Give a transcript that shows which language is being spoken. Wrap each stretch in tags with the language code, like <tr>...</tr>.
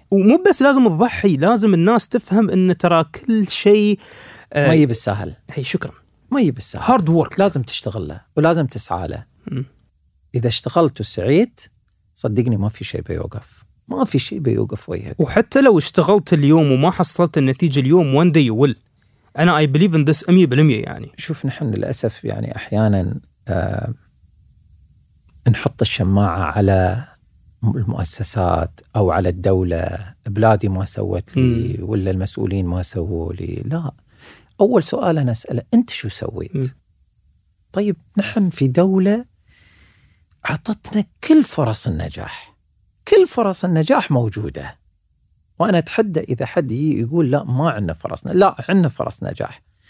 <ar>ومو بس لازم أضحي، لازم الناس تفهم أن ترى كل شيء ما يجيب السهل. هي شكرا، ما يجيب السهل،</ar> <en>hard work</en> <ar>لازم تشتغل له ولازم تسعى له. إذا اشتغلت وسعيت صدقني ما في شيء بيوقف، ما في شيء بيوقف وجهك. وحتى لو اشتغلت اليوم وما حصلت النتيجة اليوم</ar> <en>one day you will. أنا I believe in this 100% يعني.</en> <ar>شوف نحن للأسف يعني أحيانا نحط الشماعة على المؤسسات أو على الدولة، بلادي ما سوت لي ولا المسؤولين ما سووا لي. لا، أول سؤال أنا أسأله أنت شو سويت؟ طيب نحن في دولة عطتنا كل فرص النجاح، كل فرص النجاح موجودة، وأنا أتحدى إذا حد يقول لا ما عندنا فرصنا، لا عندنا فرص نجاح.</ar>